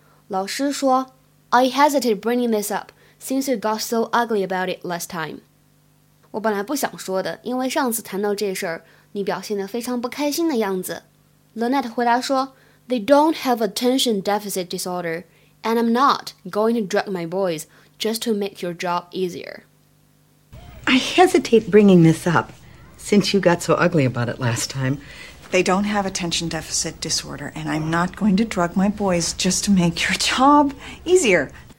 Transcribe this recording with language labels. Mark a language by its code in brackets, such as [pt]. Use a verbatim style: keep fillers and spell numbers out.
[zh] 老师说 [en] I hesitated bringing this up since you got so ugly about it last time。 [zh] 我本来不想说的，因为上次谈到这事儿你表现得非常不开心的样子。 [en] Lynette [zh] 回答说 [en] They don't have attention deficit disorder and I'm not going to drug my boys just to make your job easier. I hesitate bringing this up since you got so ugly about it last time. They don't have attention deficit disorder and I'm not going to drug my boys just to make your job easier.